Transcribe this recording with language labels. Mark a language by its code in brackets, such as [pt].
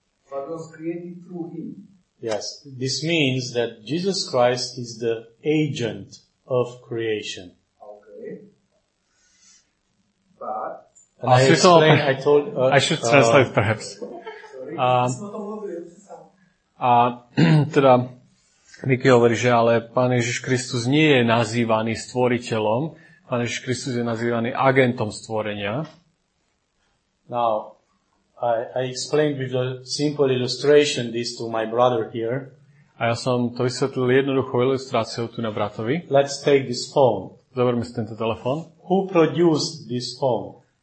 [en] But was created through him. Yes, this means that Jesus Christ is the agent of creation. But I explained, I told I should translate perhaps. Sorry. [sk] teda Niký hovorí, že ale Pán Ježiš Kristus nie je nazývaný stvoriteľom. Pán Ježiš Kristus je nazývaný agentom stvorenia. [en] Now, I explained with a simple illustration this to my brother here. [sk] A ja som to vysvetlil jednoduchou ilustráciou tu na bratovi. [en] Let's take this phone. [sk] Zoberme si tento telefon. [en] Who produced this phone?